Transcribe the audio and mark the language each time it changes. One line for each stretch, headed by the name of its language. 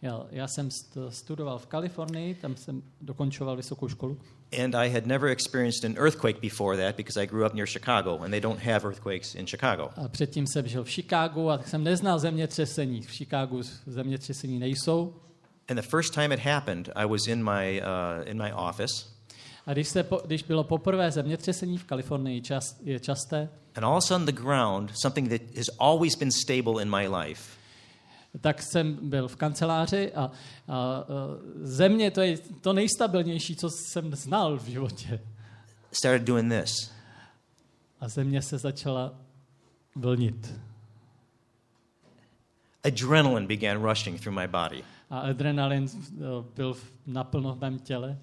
Czech: Já jsem studoval v Kalifornii, tam jsem dokončoval vysokou školu.
English: And I had never experienced an earthquake before that because I grew up near Chicago and they don't have earthquakes in Chicago.
Czech: A předtím jsem žil v Chicagu a tak jsem neznal zemětřesení. V Chicagu zemětřesení nejsou.
English: And the first time it happened, I was in my office.
Czech: A když bylo poprvé zemětřesení v Kalifornii, je časté.
English: And all of a sudden the ground, something that has always been stable in my life.
Czech: Tak jsem byl v kanceláři a země, to je to nejstabilnější, co jsem znal v životě.
English: Started doing this.
Czech: A země se začala vlnit.
English: Adrenaline began rushing through my body.
Czech: A adrenalin byl naplno v mém těle.